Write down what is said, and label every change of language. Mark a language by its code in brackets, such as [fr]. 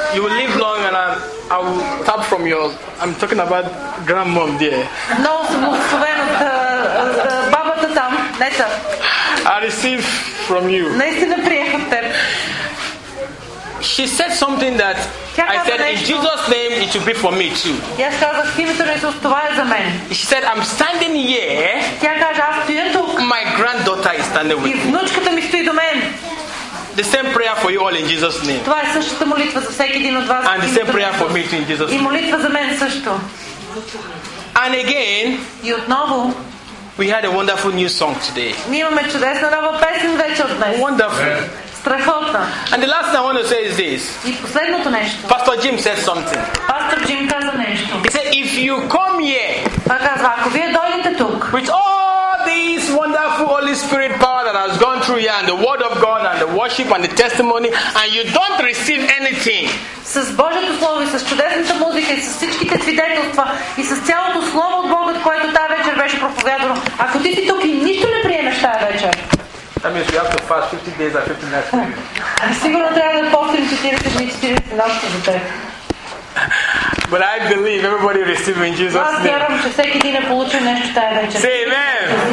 [en] You will live long and I will tap from your. I'm talking about grandmom there. [bg] No, съм благословен от бабата там. Не съм. [en] I receive from you. [bg] Наистина приеха от теб. [en] She said something that I said, in Jesus' name, it should be for me too. [bg] Yes, казах, в името на Исус, това е за мен. [en] She said, I'm standing here. [bg] Тя каже, аз стоя тук. [en] My granddaughter is standing with me. [bg] И внучката ми стои до мен. [en] The same prayer for you all in Jesus' name. [bg] Това е същата молитва за всеки един от вас. [en] And the same prayer for me too in Jesus' name. [bg] И молитва за мен също. [en] And again, [bg] и отново, [en] we had a wonderful new song today. [bg] Ние имаме чудесна нова песен вече от днес. [en] Wonderful. Yeah. And the last thing I want to say is this. Pastor Jim said something. [bg] Pastor Jim каза нещо. [en] He said, if you come here, [bg] той казва, ако вие дойдете тук, [en] with all this wonderful Holy Spirit power that has gone through here, and the Word of God, and the worship, and the testimony, and you don't receive anything, [bg] с Божието Слово и с чудесната музика и с всичките свидетелства и с цялото Слово от Бога, което тази вечер беше проповядано, ако ти си тук и нищо не приемеш тази вечер, [en] that means we have to fast 50 days and 50 nights for you. But I believe everybody receiving Jesus' name. Say amen.